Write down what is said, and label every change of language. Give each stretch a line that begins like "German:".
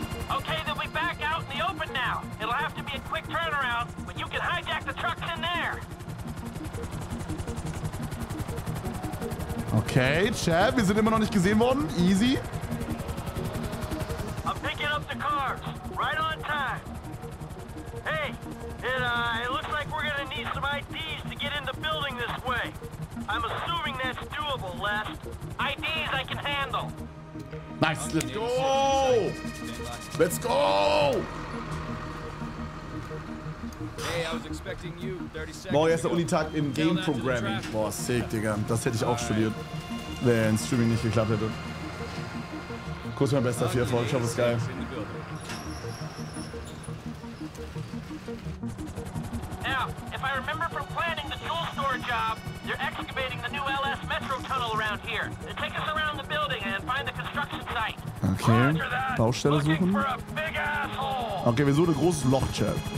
English: Okay, then we back out in the open now. It'll have to be a quick turnaround, but you can hijack the trucks in there.
German: Okay, Chad, wir sind immer noch nicht gesehen worden.
English: Easy. I'm picking up the cars. Right on time. Hey, it looks like we're gonna need some IDs to get in the building this way. I'm assuming that's doable, Les. IDs I can handle. Nice, let's go! Let's go! Hey, I was expecting you 30 seconds.
German: Boah, erster Unitag im Game Programming. Boah, sick, Digga. Das hätte ich auch studiert, wenn Streaming nicht geklappt hätte. Kurz mein Bester, viel Erfolg. Ich hoffe, es ist geil.
English: Now, if I remember from planning the tool store job, they're excavating the new LS Metro Tunnel around here. They take us around the building and find the construction site.
German: Okay, Baustelle suchen. Okay, wir suchen ein großes Loch, Chad.